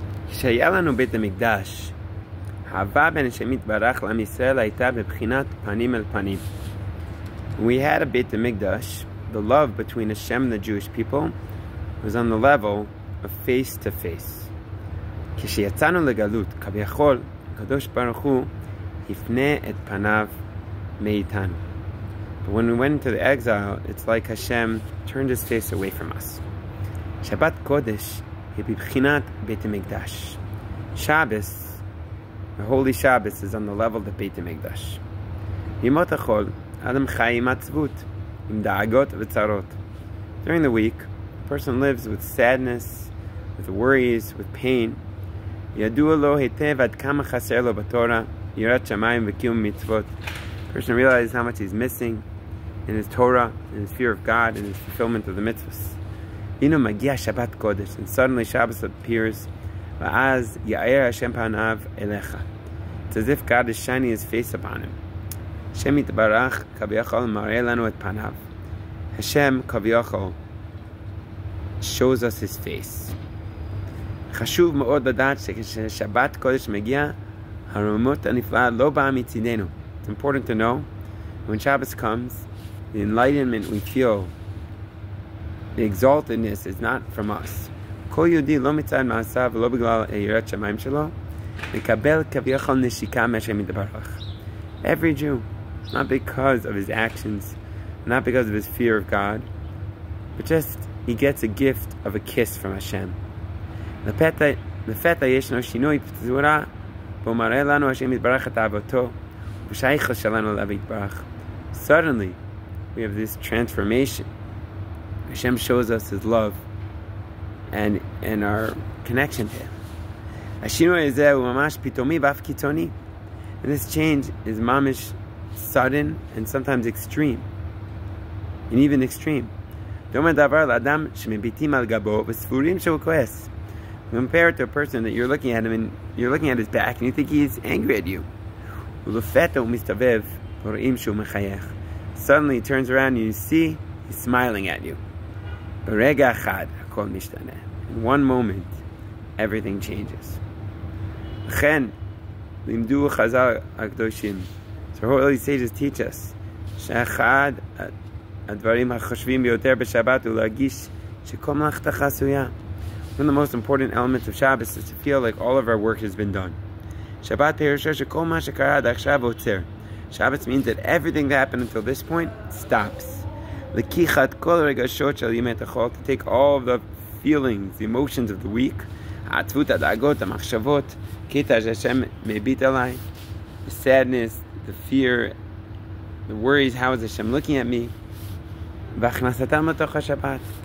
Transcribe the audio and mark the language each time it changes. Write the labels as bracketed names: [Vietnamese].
[Hebrew] כשהיה לנו בית המקדש, האהבה בין השם יתברך לעם ישראל הייתה בבחינת פנים אל פנים. [English] We had a bit of Mikdash. The love between Hashem and the Jewish people was on the level of face to face. [Hebrew] כשיצאנו לגלות, כביכול, הקדוש ברוך הוא הפנה את פניו מאיתנו. [English] But when we went into the exile, it's like Hashem turned his face away from us. [Hebrew] שבת קודש היא בבחינת בית המקדש. [English] Shabbos, the holy Shabbos, is on the level of the בית המקדש. [Hebrew] ימות החול, אדם חי עם עצבות, עם דאגות וצרות. [English] During the week, a person lives with sadness, with worries, with pain. [Hebrew] ידוע לו היטב עד כמה חסר לו בתורה, יראת שמיים וקיום מצוות. [English] A person realizes how much he's missing in his Torah, in his fear of God, in his fulfillment of the mitzvahs. [Hebrew] הנה מגיע שבת קודש, [English] and suddenly Shabbos appears, [Hebrew] ואז יאיר השם פניו אליך. [English] It's as if God is shining his face upon him. [Hebrew] השם יתברך כביכול מראה לנו את פניו. השם כביכול [English] shows us his face. [Hebrew] חשוב מאוד לדעת שכששבת קודש מגיע, הרוממות הנפלאה לא באה מצידנו. [English] It's important to know, when Shabbos comes, the enlightenment we feel, the exaltedness is not from us. [Hebrew] כל יהודי לא מצד מעשיו ולא בגלל יראת שמיים שלו, מקבל כביכול נשיקה מהשם יתברך. [English] Every Jew, not because of his actions, not because of his fear of God, but just he gets a gift of a kiss from Hashem. [Hebrew] לפתע ישנו שינוי פזורה, בו מראה לנו השם יתברך את אהבתו, ושייכו שלנו עליו יתברך. [English] Suddenly, we have this transformation. Hashem shows us his love and our connection to him. [Hebrew] השינוי הזה הוא ממש פתאומי ואף קיצוני. [English] And this change is ממש sudden and sometimes extreme. And even extreme. [Hebrew] דומה דבר לאדם שמביטים על גבו וספורים שהוא כועס. [English] Compare it to a person that you're looking at him and you're looking at his back and you think he's angry at you. [Hebrew] ולפתע הוא מסתובב ורואים שהוא מחייך. [English] Suddenly he turns around and you see he's smiling at you. [Hebrew] ברגע אחד הכל משתנה. [English] In one moment, everything changes. [Hebrew] לכן, לימדו חז"ל הקדושים. [English] So holy sages teach us [Hebrew] שאחד הדברים החשובים ביותר בשבת הוא להרגיש שכל מלאכתך עשויה. [English] One of the most important elements of Shabbos is to feel like all of our work has been done. [Hebrew] Shabbat perusha shekol ma shekara ad achshav otzer. [English] Shabbos means that everything that happened until this point stops. [Hebrew] Lekichat kol regashot shel yemei techol, [English] to take all of the feelings, the emotions of the week, [Hebrew] ha'atzvut, ha'dagot, ha'machshavot, kita she'Hashem mebit alai, [English] the sadness, the fear, the worries, how is Hashem looking at me, [Hebrew] v'achnasatam l'toch ha'Shabbat.